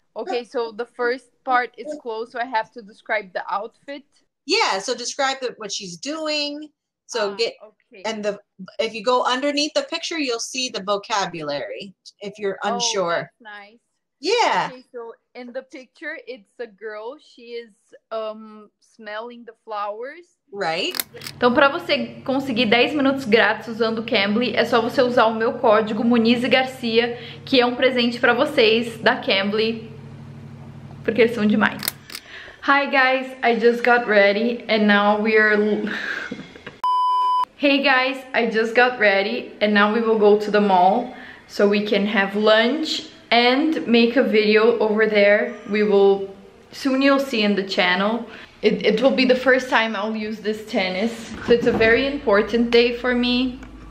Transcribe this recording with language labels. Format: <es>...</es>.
<en>Okay, so the first part is closed, so I have to describe the outfit. Yeah, so describe what she's doing. So and if you go underneath the picture, you'll see the vocabulary if you're unsure. Oh, that's nice. Yeah. Okay, so in the picture, it's a girl. She is smelling the flowers. Right.</en> <pt>Então, para você conseguir 10 minutos grátis usando o Cambly, é só você usar o meu código Muniz Garcia, que é um presente para vocês da Cambly, porque eles são demais.</pt> <en>Hi guys, I just got ready and now we are. Hey guys, I just got ready and now we will go to the mall so we can have lunch and make a video over there. We will soon, you'll see in the channel. It will be the first time I'll use this tennis, so it's a very important day for me.</en>